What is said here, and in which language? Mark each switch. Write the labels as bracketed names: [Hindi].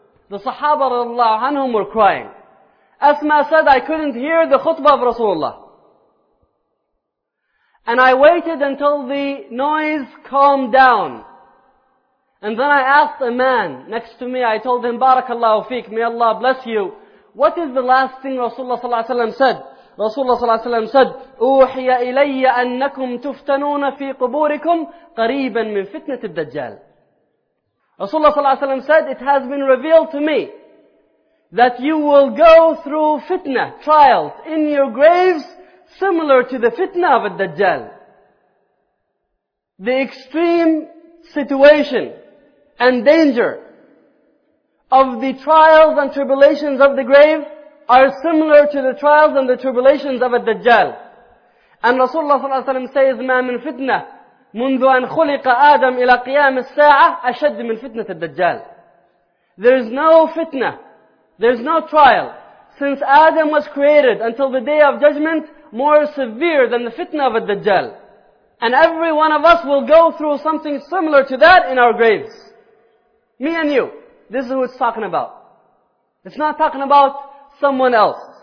[English] The Sahaba radiallahu anhum were crying. Asma said, I couldn't hear the khutbah of Rasulullah. And I waited until the noise calmed down. And then I asked a man next to me, I told him, Barakallahu feek, may Allah bless you. What is the last thing Rasulullah sallallahu alayhi wa sallam said? Rasulullah sallallahu alayhi wa sallam said, [Arabic] أُوحِيَ إِلَيَّ أَنَّكُمْ تُفْتَنُونَ فِي قُبُورِكُمْ قَرِيبًا مِنْ فِتْنَةِ الدَّجَّالِ. [English] Rasulullah sallallahu alayhi wa sallam said, it has been revealed to me that you will go through fitna, trials in your graves similar to the fitna of al-Dajjal. The extreme situation and danger of the trials and tribulations of the grave are similar to the trials and the tribulations of al-Dajjal. And Rasulullah sallallahu alayhi wa sallam says, [Arabic] مَا مِنْ فِتْنَةٍ مُنْذُ أَنْ خُلِقَ آدَمْ إِلَى قِيَامِ السَّاعَةِ أَشَدْ مِنْ فِتْنَةِ الدَّجَّالِ. [English] There is no fitna, there is no trial since Adam was created until the Day of Judgment more severe than the fitna of al-Dajjal. And every one of us will go through something similar to that in our graves. Me and you. This is who it's talking about. It's not talking about someone else.